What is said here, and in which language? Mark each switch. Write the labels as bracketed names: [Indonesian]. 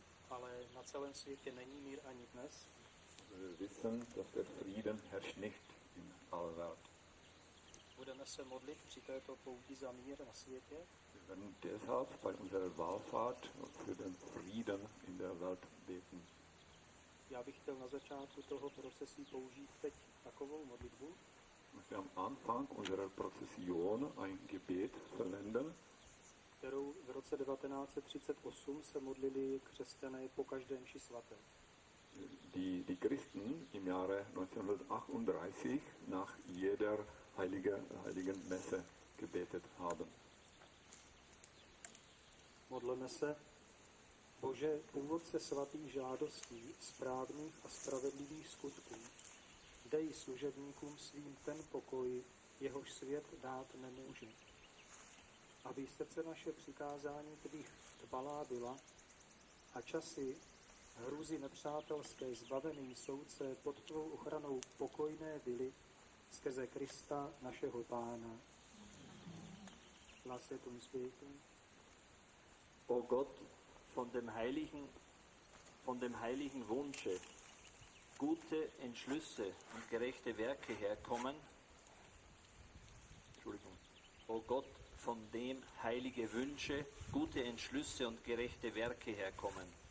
[Czech] Ale na celém světě není mír ani dnes. [German] Wissen, dass der Frieden herrscht nicht in aller Welt. [Czech] Budeme se modlit při této pouti za mír na světě. [German] Wir werden deshalb bei unserer Wallfahrt für den Frieden in der Welt beten. [Czech] Já bych chtěl na začátku toho procesí použít teď takovou modlitbu. [German] Möchte am Anfang unserer Prozession ein Gebet verwenden, [Czech] kterou v roce 1938 se modlili křesťané po každé mši svaté. [German] Die Christen im Jahre 1938 nach jeder heiligen Messe gebetet haben. [Czech] Modleme se. Bože, původce svatých žádostí, správných a spravedlivých skutků, dej služebníkům svým ten pokoj, jehož svět dát nemůže. Aby srdce naše přikázání tvých dbalá byla a časy hrůzy nepřátelské zbaveným soudce pod tvou ochranou pokojné byly skrze Krista našeho Pána. [German] Lasse uns beten. O Gott, von dem heiligen Wunsche gute Entschlüsse und gerechte Werke herkommen. Entschuldigung. O Gott, von dem heilige Wünsche, gute Entschlüsse und gerechte Werke herkommen.